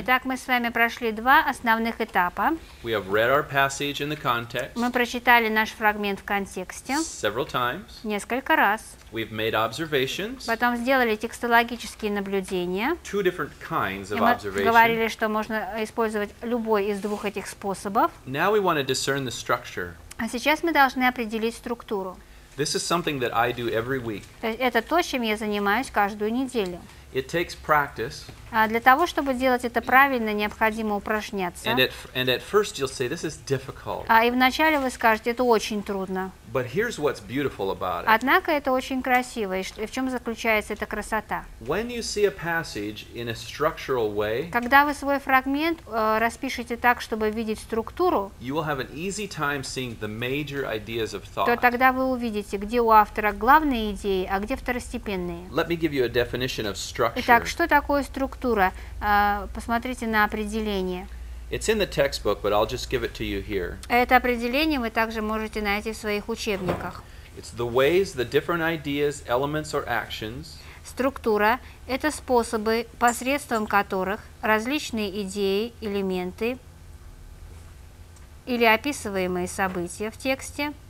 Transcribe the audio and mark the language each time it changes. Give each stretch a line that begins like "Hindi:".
Russian: Итак, мы с вами прошли два основных этапа.
English: We have read our passage in the context.
Russian: Мы прочитали наш фрагмент в контексте.
English: Several times.
Russian: Несколько раз.
English: We've made observations.
Russian: Потом сделали текстологические наблюдения.
English: Two different kinds of observation.
Russian: Мы говорили, что можно использовать любой из двух этих способов.
English: Now we want to discern the structure.
Russian: А сейчас мы должны определить структуру.
English: This is something that I do every week.
Russian: Это то, чем я занимаюсь каждую неделю.
English: It takes practice.
Russian: А для того, чтобы делать это правильно, необходимо упражняться.
English: And at first you'll say, this is difficult.
Russian: А и вначале вы скажете, это очень трудно.
English: But here's what's beautiful about it.
Russian: Однако это очень красиво, и в чем заключается эта красота?
English: When you see a passage in a structural way,
Russian: когда вы свой фрагмент распишете так, чтобы видеть структуру,
English: you will have an easy time seeing the major ideas of thought.
Russian: То тогда вы увидите, где у автора главные идеи, а где второстепенные.
English: Let me give you a definition of structure.
Russian: Итак, что такое структура? Посмотрите на определение.
English: It's in the textbook, but I'll just give it to you here.
Russian: Это определение вы также можете найти в своих учебниках.
English: It's the ways the different ideas, elements or actions.
Russian: Структура — это способы, посредством которых различные идеи, элементы или описываемые события в тексте